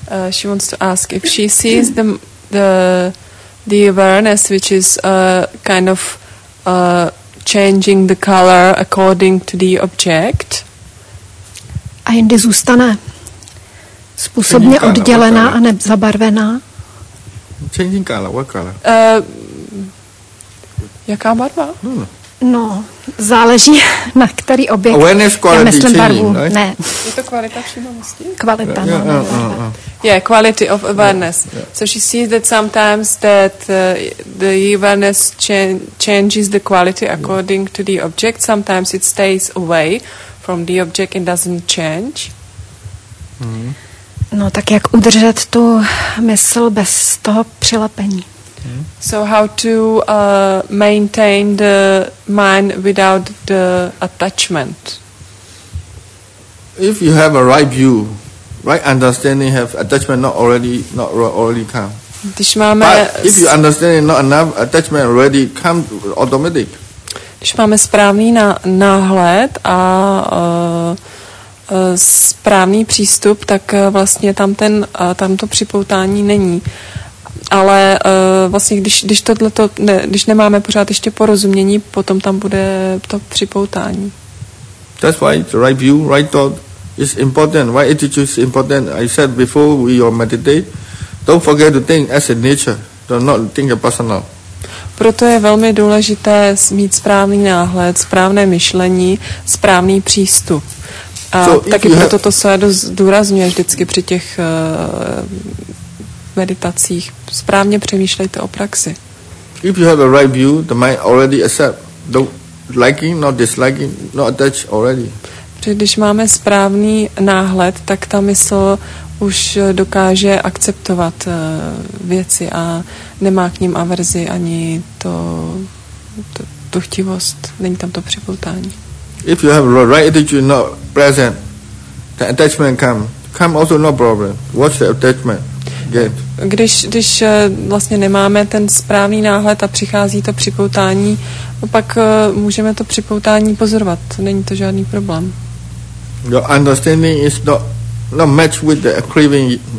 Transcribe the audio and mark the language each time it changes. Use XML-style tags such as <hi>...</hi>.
<en>She wants to ask if she sees the awareness, which is kind of changing the color according to the object.</en> <cs>A jindy zůstane způsobně oddělená a nezabarvená.</cs> <en>Changing color, what color?</en> <cs>Jaká barva? No, záleží na který objekt.</cs> <en>Awareness quality.</en> <cs>Já myslím</cs> <en>changing,</en> <cs>barvu.</cs> <en>Right?</en> <cs>Ne. Je to kvalita všímavosti? Kvalita,</cs> <en>quality of awareness. Yeah. So she sees that sometimes that the awareness changes the quality according to the object. Sometimes it stays away from the object and doesn't change.</en> <cs>No, tak jak udržet tu mysl bez toho přilepení?</cs> <en>So how to maintain the mind without the attachment? If you have a right view, right understanding, have attachment not already come.</en> <cs>Když máme,</cs> <en>but if you understand it not enough, attachment already come automatic.</en> <cs>Když máme správný náhled a správný přístup, tak vlastně tam to připoutání není. Ale vlastně když nemáme pořád ještě porozumění, potom tam bude to připoutání.</cs> <en>That's why the right view, right thought is important. Why attitude is important? I said before we all meditate, don't forget to think as a nature, do not think a personal.</en> <cs>Proto je velmi důležité mít správný náhled, správné myšlení, správný přístup. A so taky proto to se zdůrazňuje vždycky při těch meditacích. Správně přemýšlejte o praxi.</cs> <en>If you have a right view, the mind already accept. Don't liking, not disliking, not attached already.</en> <cs>Protože když máme správný náhled, tak ta mysl už dokáže akceptovat věci a nemá k ním averzi ani tu chtivost. Není tam to připoutání.</cs> <en>If you have right attitude, not present, the attachment come also no problem. What's the attachment?</en> <cs>Když vlastně nemáme ten správný náhled a přichází to připoutání, pak můžeme to připoutání pozorovat. Není to žádný problém.</cs> <en>Your understanding is not match with the craving.</en>